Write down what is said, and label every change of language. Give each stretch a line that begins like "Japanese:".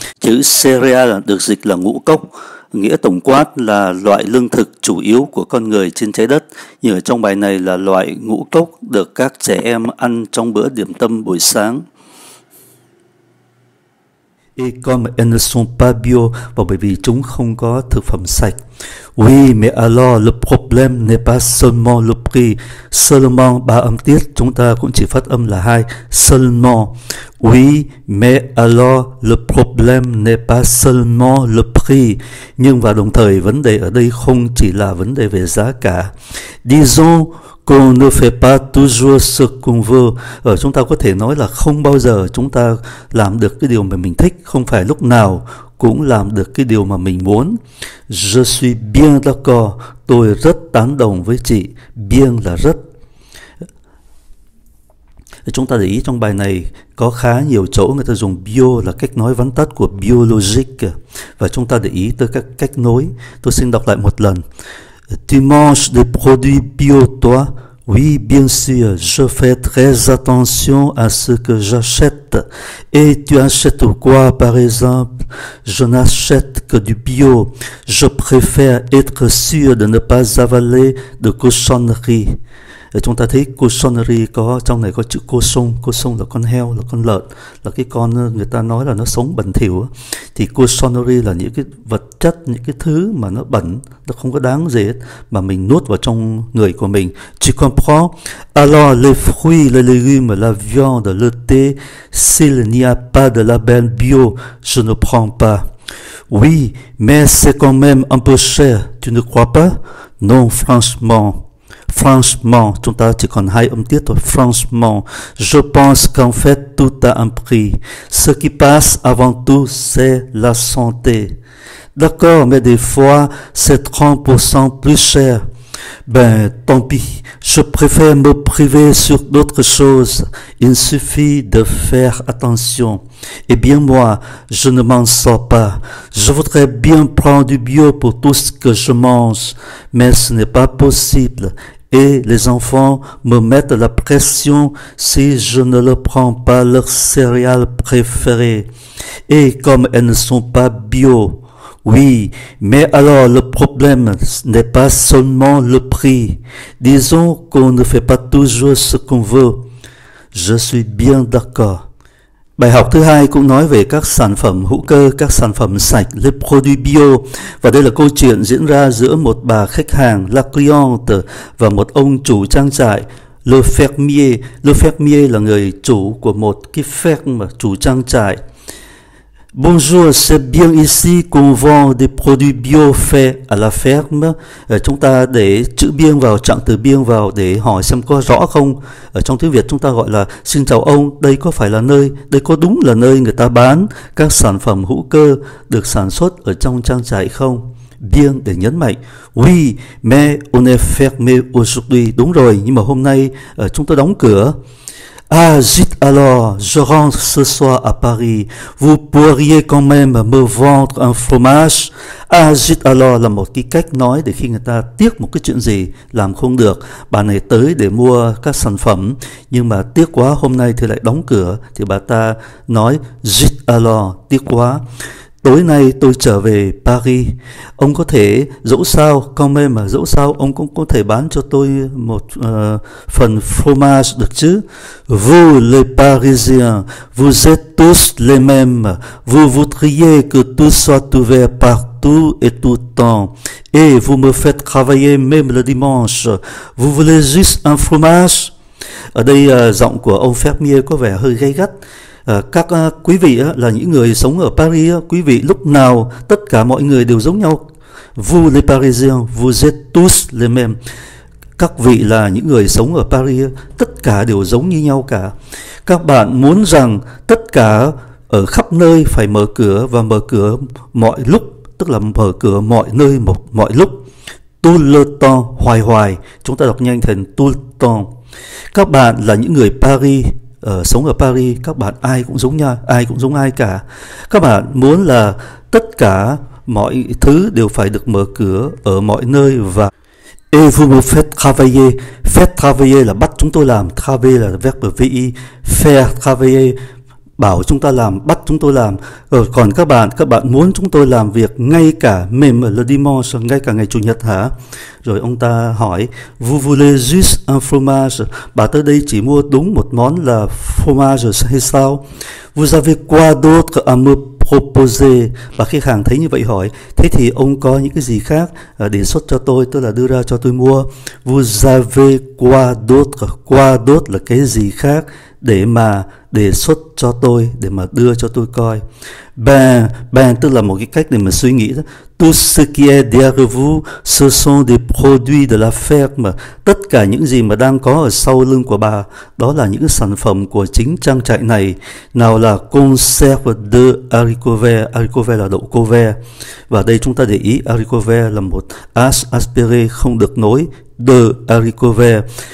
Vietnamese: Chữ cereal được dịch là ngũ cốc, nghĩa tổng quát là loại lương thực chủ yếu của con người trên trái đất. Như ở trong bài này là loại ngũ cốc được các trẻ em ăn trong bữa điểm tâm buổi sáng.
French: Et comme elles ne sont pas bio,
Vietnamese: và bởi vì chúng không có thực phẩm sạch.
French: Oui, mais alors le problème n'est pas seulement le prix.
Vietnamese: Seulement, ba âm tiết, chúng ta cũng chỉ phát âm là hai.
French: Seulement. Oui, mais alors le problème n'est pas seulement le prix.
Vietnamese: Nhưng và đồng thời, vấn đề ở đây không chỉ là vấn đề về giá cả.
French: Disons qu'on ne fait pas toujours ce qu'on veut.
Vietnamese: Chúng ta có thể nói là không bao giờ chúng ta làm được cái điều mà mình thích, không phải lúc nào cũng làm được cái điều mà mình muốn.
French: Je suis bien d'accord.
Vietnamese: Tôi rất tán đồng với chị. Bien là rất. Chúng ta để ý trong bài này có khá nhiều chỗ người ta dùng bio là cách nói vắn tắt của biologic. Và chúng ta để ý tới các cách nối. Tôi xin đọc lại một lần.
French: Tu manges des produits bio toi? Oui, bien sûr, je fais très attention à ce que j'achète. Et tu achètes quoi, par exemple? Je n'achète que du bio. Je préfère être sûr de ne pas avaler de cochonneries.
Vietnamese: Et chúng ta thấy cochonnerie, trong này có chữ cochon. Cochon là con heo, là con lợn, là cái con người ta nói là nó sống bẩn thỉu. Thì cochonnerie là những cái vật chất, những cái thứ mà nó bẩn, nó không có đáng gì hết, mà mình nuốt vào trong người của mình.
French: Tu comprends? Alors les fruits, les légumes, la viande, le thé, s'il n'y a pas de label bio, je ne prends pas. Oui, mais c'est quand même un peu cher, tu ne crois pas? Non, franchement.
Vietnamese: Franchement, chúng ta chỉ còn hai âm tiết thôi.
French: Franchement, je pense qu'en fait tout a un prix. Ce qui passe avant tout, c'est la santé. D'accord, mais des fois, c'est 30% plus cher. Ben, tant pis, je préfère me priver sur d'autres choses. Il suffit de faire attention. Eh bien moi, je ne m'en sors pas. Je voudrais bien prendre du bio pour tout ce que je mange, mais ce n'est pas possible. Et les enfants me mettent la pression si je ne leur prends pas leur céréale préférée. Et comme elles ne sont pas bio, oui, mais alors le problème n'est pas seulement le prix. Disons qu'on ne fait pas toujours ce qu'on veut. Je suis bien d'accord.
Vietnamese: Bài học thứ hai cũng nói về các sản phẩm hữu cơ, các sản phẩm sạch, les produits bio. Và đây là câu chuyện diễn ra giữa một bà khách hàng, la cliente, và một ông chủ trang trại, le fermier. Le fermier là người chủ của một cái ferme, chủ trang trại.
French: Bonjour, c'est bien ici qu'on vend des produits bio faits à la ferme.
Vietnamese: Chúng ta để chữ bien vào, trạng từ bien vào để hỏi xem có rõ không. Ở trong tiếng Việt chúng ta gọi là xin chào ông, đây có phải là nơi, đây có đúng là nơi người ta bán các sản phẩm hữu cơ được sản xuất ở trong trang trại không? Bien để nhấn mạnh.
French: Oui, mais on est fermé aujourd'hui.
Vietnamese: Đúng rồi, nhưng mà hôm nay chúng tôi đóng cửa.
French: Ah, dites alors, je rentre ce soir à Paris. Vous pourriez quand même me vendre un fromage? Ah, dites alors
Vietnamese: là một cái cách nói để khi người ta tiếc một cái chuyện gì làm không được. Bà này tới để mua các sản phẩm, nhưng mà tiếc quá hôm nay thì lại đóng cửa. Thì bà ta nói, dites alors, tiếc quá. Tối nay tôi trở về Paris. Ông có thể, dẫu sao, con mê mà dẫu sao, ông cũng có thể bán cho tôi một phần fromage được chứ.
French: Vous, les Parisiens, vous êtes tous les mêmes. Vous voudriez que tout soit ouvert partout et tout le temps. Et vous me faites travailler même le dimanche. Vous voulez juste un fromage?
Vietnamese: Ở đây, giọng của ông fermier có vẻ hơi gay gắt. Các quý vị là những người sống ở Paris, quý vị lúc nào tất cả mọi người đều giống nhau.
French: Vous les Parisiens, vous êtes tous les mêmes.
Vietnamese: Các vị là những người sống ở Paris, tất cả đều giống như nhau cả. Các bạn muốn rằng tất cả ở khắp nơi phải mở cửa và mở cửa mọi lúc, tức là mở cửa mọi nơi mọi lúc.
French: Tout le temps,
Vietnamese: hoài hoài. Chúng ta đọc nhanh thành tout le temps. Các bạn là những người Paris. Sống ở Paris, các bạn ai cũng giống nhau, ai cũng giống ai cả. Các bạn muốn là tất cả mọi thứ đều phải được mở cửa ở mọi nơi và
French: Et vous me faites travailler.
Vietnamese: Faites travailler là bắt chúng tôi làm. Travailler là verbe vi. Faire travailler, bảo chúng ta làm, bắt chúng tôi làm. Rồi còn các bạn muốn chúng tôi làm việc ngay cả
French: même le dimanche,
Vietnamese: ngay cả ngày chủ nhật hả? Rồi ông ta hỏi,
French: vous voulez juste un fromage?
Vietnamese: Bà tới đây chỉ mua đúng một món là fromage hay sao?
French: Vous avez quoi d'autre à me proposer?
Vietnamese: Và khách hàng thấy như vậy hỏi, thế thì ông có những cái gì khác đề xuất cho tôi, tức là đưa ra cho tôi mua.
French: Vous avez quoi d'autre?
Vietnamese: Quoi d'autre là cái gì khác để mà đề xuất cho tôi, để mà đưa cho tôi coi. Ben, ben tức là một cái cách để mà suy nghĩ đó.
French: Tout ce qui est derrière vous, ce sont des produits de la ferme.
Vietnamese: Mà tất cả những gì mà đang có ở sau lưng của bà, đó là những sản phẩm của chính trang trại này. Nào là
French: conserve de haricots verts,
Vietnamese: haricots verts là đậu cô ve. Và đây chúng ta để ý, haricots verts là một as aspiré không được nối, de haricots verts.